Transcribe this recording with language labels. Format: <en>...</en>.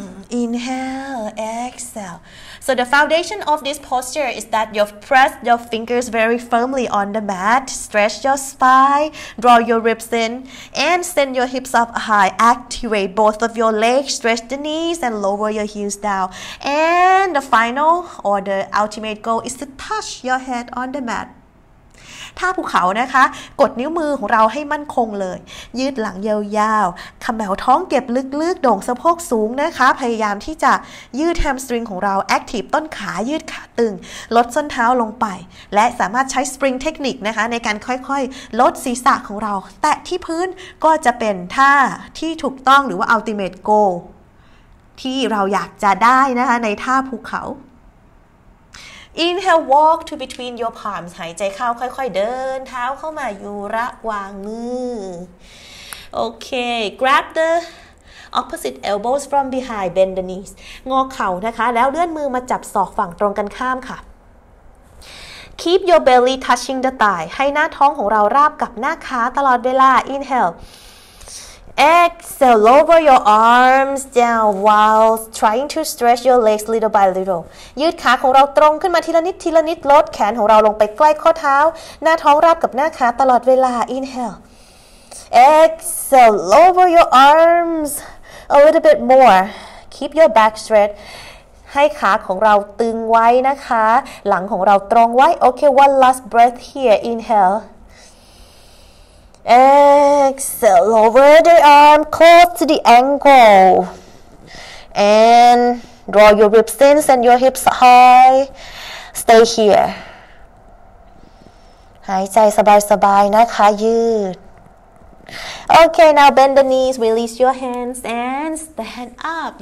<en>inhale exhale so the foundation of this posture is that you press your fingers very firmly on the mat stretch your spine draw your ribs in and send your hips up high activate both of your legs stretch the knees and lower your heels down and the final or the ultimate goal is to touch your head on the mat</en> <th>ท่าภูเขานะคะกดนิ้วมือของเราให้มั่นคงเลยยืดหลังยาวๆขมวดท้องเก็บลึกๆโด่งสะโพกสูงนะคะพยายามที่จะยืดแฮมสตริงของเราแอคทีฟต้นขายืดขาตึงลดส้นเท้าลงไปและสามารถใช้สปริงเทคนิคนะคะในการค่อยๆลดศีรษะของเราแตะที่พื้นก็จะเป็นท่าที่ถูกต้องหรือว่าอัลติเมทโกที่เราอยากจะได้นะคะในท่าภูเขา</th> <en>Inhale, walk to between your palms.</en> <th>หายใจเข้าค่อยๆเดินเท้าเข้ามาอยู่ระหว่างมือ</th> <en>โอเค grab the opposite elbows from behind, bend the knees.</en> <th>งอเข่านะคะแล้วเลื่อนมือมาจับศอกฝั่งตรงกันข้ามค่ะ</th> <en>Keep your belly touching the thigh.</en> <th>ให้หน้าท้องของเราราบกับหน้าขาตลอดเวลา.</th> <en>Inhale. Exhale. Lower your arms down while trying to stretch your legs little by little.</en> <th>ยืดขาของเราตรงขึ้นมาทีละนิดทีละนิดลดแขนของเราลงไปใกล้ข้อเท้าหน้าท้องราบกับหน้าขาตลอดเวลา.</th> <en>Inhale. Exhale. Lower your arms a little bit more. Keep your back straight.</en> <th>ให้ขาของเราตึงไว้นะคะหลังของเราตรงไว้โอเค</th> <en>one last breath here inhale exhale lower the arm close to the ankle and draw your ribs in send your hips high stay here</en> <th>หายใจสบายๆนะคะยืด</th> <en>Okay, now bend the knees, release your hands, and stand up.</en>